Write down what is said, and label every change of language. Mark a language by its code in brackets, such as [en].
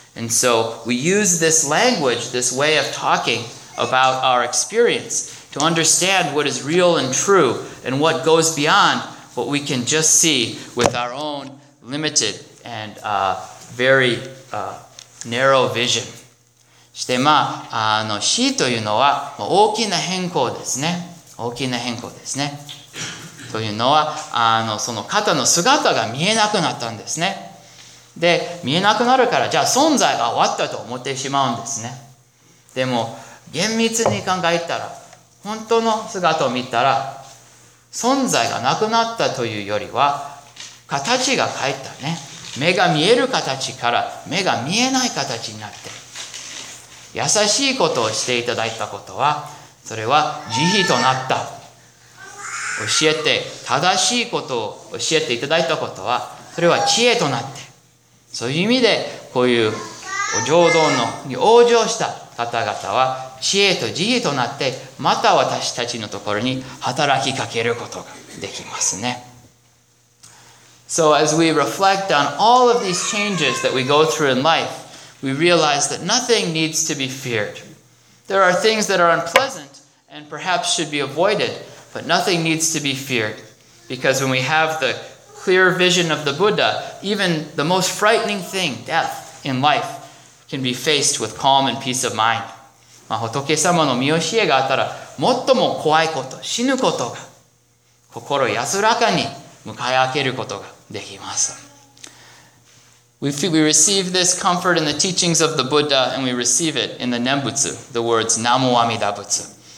[en] And so we use this language, this way of talking about our experience to understand what is real and true and what goes beyond what we can just see with our own limited and very narrow vision. [ja] して、まあ、死というのは大きな変更ですね。大きな変更ですね。というのは、その方の姿が見えなくなったんですね。で、見えなくなるから、じゃあ存在が終わったと思ってしまうんですね。でも、厳密に考えたら、本当の姿を見たら、存在がなくなったというよりは、形が変えたね。目が見える形から、目が見えない形になって、優しいことをしていただいたことは、それは慈悲となった。教えて、正しいことを教えていただいたことは、それは知恵となって。そういう意味で、こういうお浄土に往生した方々は、知恵と慈悲となって、また私たちのところに働きかけることができますね。 [en] So as we reflect on all of these changes that we go through in life,we realize that nothing needs to be feared. There are things that are unpleasant and perhaps should be avoided, but nothing needs to be feared. Because when we have the clear vision of the Buddha, even the most frightening thing, death in life, can be faced with calm and peace of mind. [ja] まあ、仏様の御教えがあったら、最も怖いこと、死ぬことが、心安らかに迎え開けることができます。 [en] We receive this comfort in the teachings of the Buddha, and we receive it in the Nembutsu, the words Namo Amida Butsu.